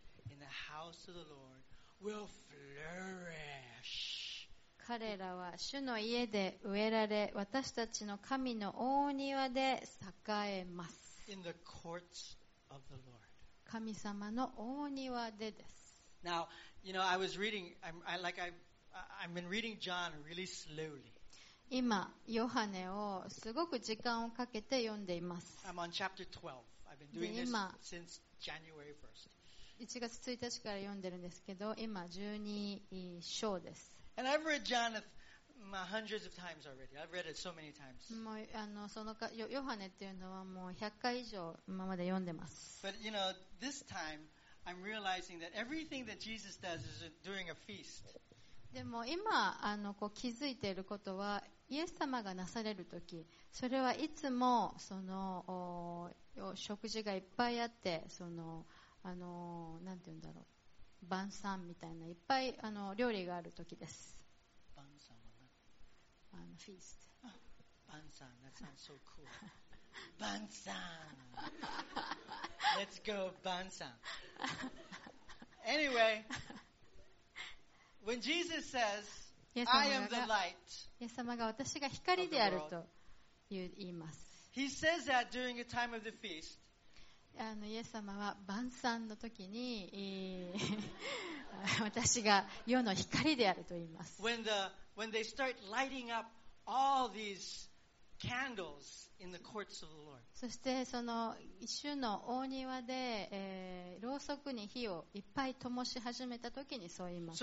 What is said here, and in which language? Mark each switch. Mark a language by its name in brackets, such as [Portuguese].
[English] in the house of the Lord will flourish. [Japanese] 彼らは主の家で植えられ、私たちの神の大庭で栄えます。 [English] In the courts of the Lord. [Japanese] 神様の大庭でです。 [English] Now, you know, I was reading, I've been reading John really slowly. [Japanese] 今、ヨハネをすごく時間をかけて読んでいます。 [English] I'm on chapter 12. I've been doing this since January 1st. [Japanese] 1月1日から読んでるんですけど、今12章です。 [English] And I've read John hundreds of times already. I've read it so many times. [Japanese] もうあのそのかヨハネっていうのはもう100回以上今まで読んでます。 [English] But you know, this time I'm realizing that everything that Jesus does is during a feast. [Japanese] でも今あのこう気づいていることは、イエス様がなされるとき、それはいつもその食事がいっぱいあってその。あのなんて言うんだろう、晩餐みたいないっぱいあの料理がある時です。晩餐はあのフィースト、 [English] 晩餐、that sounds so cool. 晩餐 Let's go 晩餐 Anyway, when Jesus says I am the light, [Japanese] イエス様が私が光であると言います。 [English] He says that during a time of the feast [Japanese] あのイエス様は晩餐の時に私が世の光であると言います。 [English] When they start lighting up all these candles in the courts of the Lord. [Japanese] そしてその主の大庭で、ろうそくに火をいっぱい灯し始めた時にそう言います。